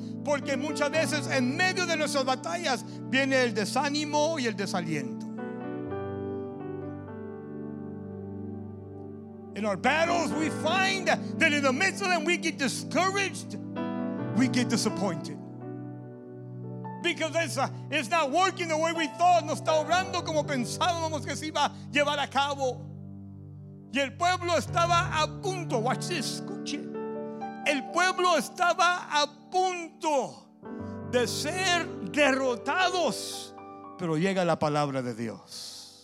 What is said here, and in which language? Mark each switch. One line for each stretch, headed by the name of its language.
Spanish: Porque muchas veces en medio de nuestras batallas viene el desánimo y el desaliento.
English: In our battles we find that in the midst of them we get discouraged, we get disappointed, because it's not working the way we thought.
Spanish: No está obrando como pensábamos que se iba a llevar a cabo. Y el pueblo estaba a punto.
English: Watch this,
Spanish: escuche. El pueblo estaba a punto de ser derrotados, pero llega la palabra de Dios.